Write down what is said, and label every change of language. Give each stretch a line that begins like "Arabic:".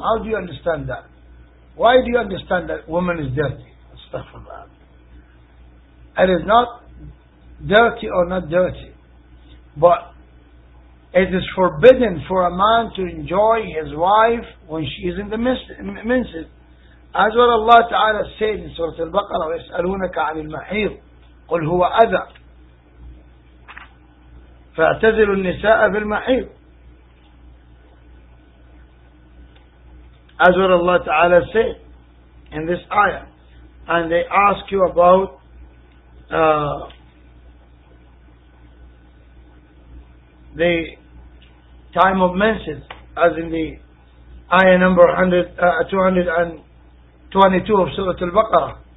English: How do you understand that? Why do you understand that woman is dirty? Astaghfirullah. It is not dirty or not dirty, but it is forbidden for a man to enjoy his wife when she is in the menses. As well Allah Ta'ala said in Surah Al-Baqarah,
Arabic: وَيَسْأَلُونَكَ عَنِ الْمَحِيضِ قُلْ هُوَ أَذَى فَاَعْتَزِلُوا النِّسَاءَ بِالْمَحِيضِ.
English: As well Allah Ta'ala said in this ayah, and they ask you about the time of menses, as in the ayah number 222 of Surah Al-Baqarah.